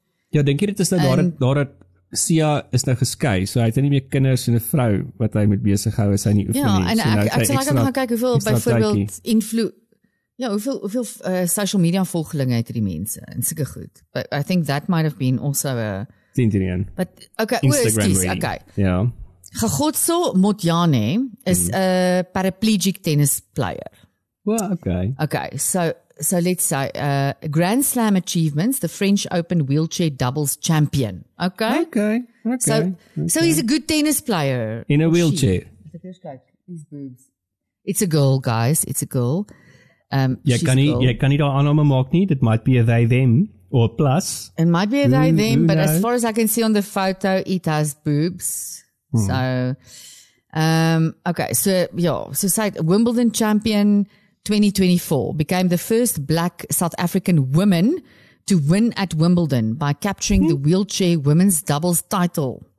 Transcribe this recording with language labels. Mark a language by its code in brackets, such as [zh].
[af] Ja, denk jy dit is nou daar het Sia is nou geskei, so hy het nie meer kinders en 'n vrou wat hy met besig hou as hy nie oefen nie. Ja, en so ek sal ek gaan kyk hoeveel byvoorbeeld hoeveel social media volgelinge het die mense en sulke goed. [en] But I think that might have been also a... Centurion. But, okay, Instagram. [af] Ja. [en] Gagotso Motjane is a paraplegic tennis player. Well, okay. Okay, so let's say, Grand Slam achievements, the French Open wheelchair doubles champion. Okay? Okay. So he's a good tennis player. In a wheelchair. It's a fish boobs. It's a girl, guys. It's a girl. [af] Jy kan nie daar aanname maak nie. Dit [en] might be a they, them. or plus. It might be a they, them, but as far as I can see on the photo, it has boobs. Hmm. So, okay. So, yeah. So, say Wimbledon champion 2024 became the first black South African woman to win at Wimbledon by capturing the wheelchair women's doubles title.